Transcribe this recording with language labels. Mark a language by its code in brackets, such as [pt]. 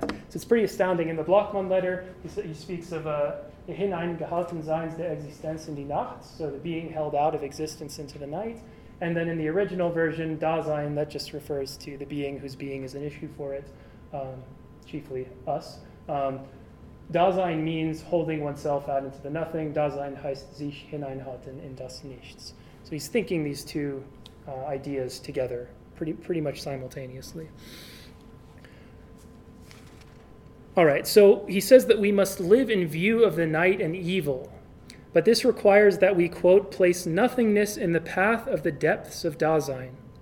[en] So it's pretty astounding. In the Bloch-Mann letter, he speaks of [de] hineingehalten seins der Existenz in die Nacht, [en] so the being held out of existence into the night. And then in the original version, Dasein, that just refers to the being whose being is an issue for it, chiefly us. Dasein means holding oneself out into the nothing. [de] Dasein heißt sich hineinhalten in das Nichts. [en] So he's thinking these two ideas together, pretty much simultaneously. All right, so he says that we must live in view of the night and evil, but this requires that we, quote, place nothingness in the path of the depths of Dasein.